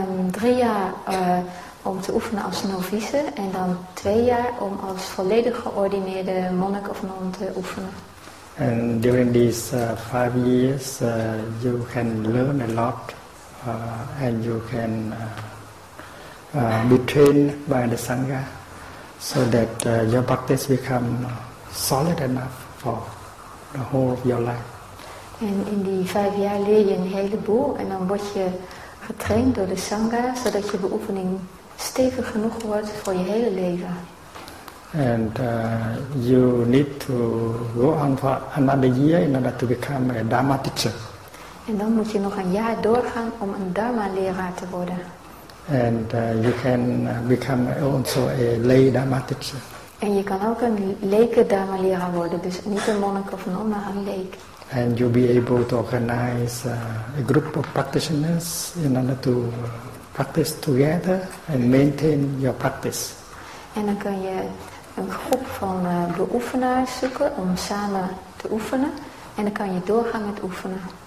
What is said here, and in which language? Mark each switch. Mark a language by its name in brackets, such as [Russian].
[Dutch] 3 jaar om te oefenen als novice en dan 2 jaar om als volledig geordineerde monnik of non te oefenen. [English] And during these 5 years, you can learn a lot, and you can be trained by the Sangha, so that your practice become solid enough for the whole of your life. [Dutch] And in die 5 jaar leer je een heleboel, en dan word je getraind door de Sangha, zodat je beoefening stevig genoeg wordt voor je hele leven. [English] And you need to go on for another year in order to become a Dharma teacher. [Dutch] En dan moet je nog een jaar doorgaan om een Dharma leraar te worden. [English] And you can become also a lay Dharma teacher. [Dutch] En je kan ook een leke Dharma leraar worden, dus niet een monnik of non, maar een leek. [English] And you'll be able to organize a group of practitioners in order to practice together and maintain your practice. [Dutch] En dan kun je een groep van beoefenaars zoeken om samen te oefenen. En dan kan je doorgaan met oefenen.